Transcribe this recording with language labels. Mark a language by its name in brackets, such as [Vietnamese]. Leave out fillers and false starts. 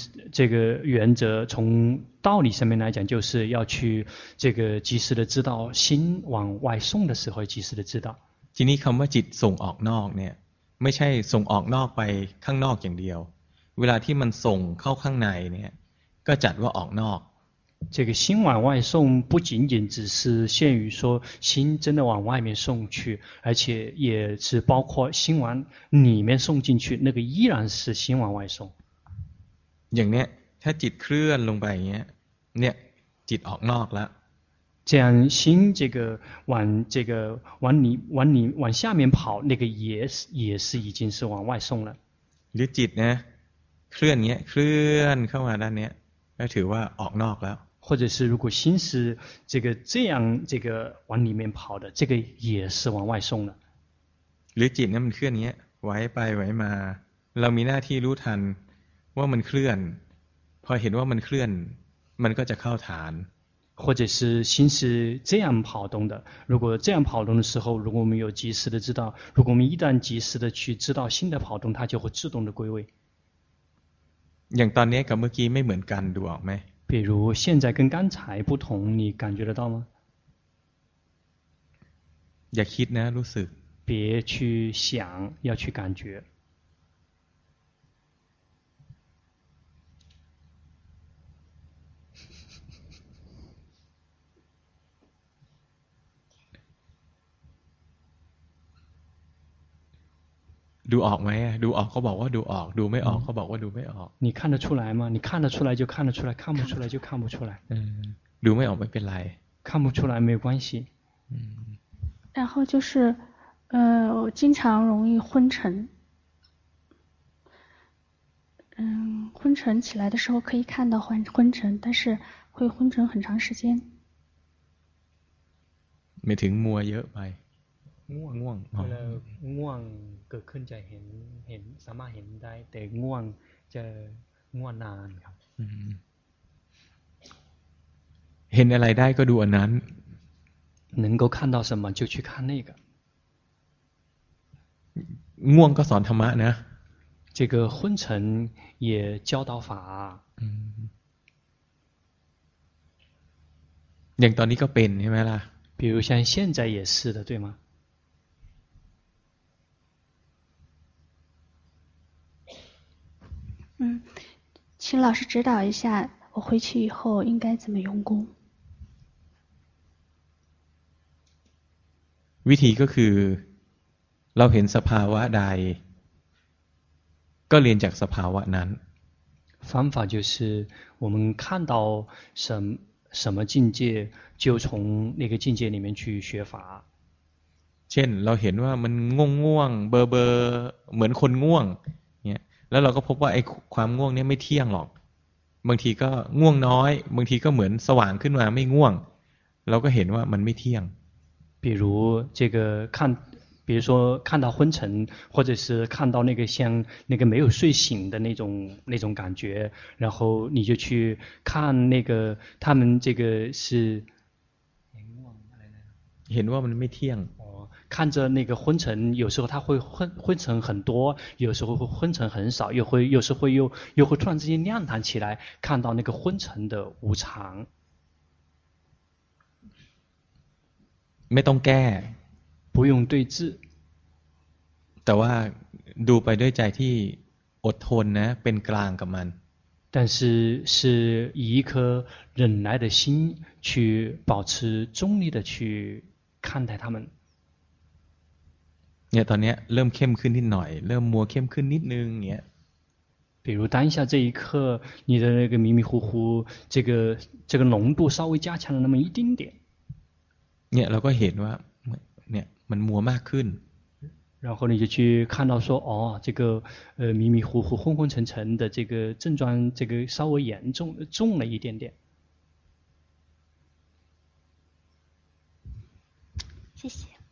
[Chinese] 这个原则从道理上面来讲就是要去这个及时的知道心往外送的时候及时的知道 [Thai] ทีนี้คำว่าจิตส่งออกนอกเนี่ยไม่ใช่ส่งออกนอกไปข้างนอกอย่างเดียวเวลาที่มันส่งเข้าข้างในเนี่ยก็จัดว่าออกนอก [Chinese] 这个心往外送不仅仅只是限于说心真的往外面送去而且也是包括心往里面送进去那个依然是心往外送 [Thai] อย่างเนี้ยถ้าจิตเคลื่อนลงไปเงี้ยเนี่ยจิตออกนอกแล้ว [Chinese] 这样心这个往这个往里往里往下面跑那个也是已经是往外送了 [Thai] หรือจิตเนี่ยเคลื่อนเงี้ยเคลื่อนเข้ามาด้านเนี้ยก็ถือว่าออกนอกแล้ว [Chinese] 或者是如果心是这个这样这个往里面跑的这个也是往外送了 [Thai] หรือจิตเนี่ยมันเคลื่อนเงี้ยไหวไปไหวมาเรามีหน้าที่รู้ทันว่ามันเคลื่อนพอเห็นว่ามันเคลื่อนมันก็จะเข้าฐาน [Chinese] 或者是心是这样跑动的，如果这样跑动的时候，如果我们有及时的知道，如果我们一旦及时的去知道心的跑动，它就会自动的归位。 [Thai] อย่างตอนนี้กับเมื่อกี้ไม่เหมือนกันดูออกไหม [Chinese] 比如现在跟刚才不同，你感觉得到吗？ [Thai] อย่าคิดนะรู้สึก [Chinese] 别去想，要去感觉。 [Thai] ดูออกไหมดูออกก็บอกว่าดูออกดูไม่ออกก็บอกว่าดูไม่ออก [Chinese] 你看得出来吗你看得出来就看得出来看不出来就看不出来 [Thai] ดูไม่ออกไม่เป็นไร [Chinese] 看不出来没关系然后就是我经常容易昏沉昏沉起来的时候可以看到昏沉但是会昏沉很长时间 [Thai] ไม่ถึงมัวเยอะไป ง่วงง่วงเวลาง่วงเกิดขึ้นจะเห็นสามารถเห็นได้แต่ง่วงจะง่วงนานครับ เห็นอะไรได้ก็ดูอันนั้น [Chinese] 能够看到什么就去看那个 [Thai] ง่วงก็สอนธรรมะนะ [Chinese] 这个昏沉也教导法 [Thai] อย่างตอนนี้ก็เป็นใช่ไหมล่ะ [Chinese] 比如像现在也是的对吗请老师指导一下我回去以后应该怎么用功 [Thai] วิธีก็คือเราเห็นสภาวะใดก็เรียนจากสภาวะนั้น [Chinese] 方法就是我们看到什么境界就从那个境界里面去学法 [Thai] เช่นเราเห็นว่ามันง่วงง่วงเบอร์เบอร์เหมือนคนง่วงแล้วเราก็พบว่าไอ้ความง่วงเนี่ยไม่เที่ยงหรอกบางทีก็ง่วงน้อยบางทีก็เหมือนสว่างขึ้นมาไม่ง่วงเราก็เห็นว่ามันไม่เที่ยง [Chinese] 比如这个看比如说看到昏沉或者是看到那个像那个没有睡醒的那种感觉然后你就去看那个他们这个是 [Thai] เห็นว่ามันไม่เที่ยง [Chinese] 看着那个昏沉有时候它会昏沉很多有时候会昏沉很少又会有时候又会突然之间亮堂起来看到那个昏沉的无常 [Thai] ไม่ต้องแก้ [Chinese] 不用对治 [Thai] แต่ว่าดูไปด้วยใจที่อดทนนะเป็นกลางกับมัน [Chinese] 但是是以一颗忍耐的心去保持中立的去看待他们 [Thai] เนี่ยตอนนี้เริ่มเข้มขึ้นนิดหน่อยเริ่มมัวเข้มขึ้นนิดนึงเนี่ย [Chinese] 比如当下这一刻你的那个迷迷糊糊这个浓度稍微加强了那么一丁点 [Thai] เนี่ยเราก็เห็นว่าเนี่ยมันมัวมากขึ้น [Chinese] 然后你就去看到说哦这个迷迷糊糊昏昏沉沉的这个症状这个稍微严重了一点点谢谢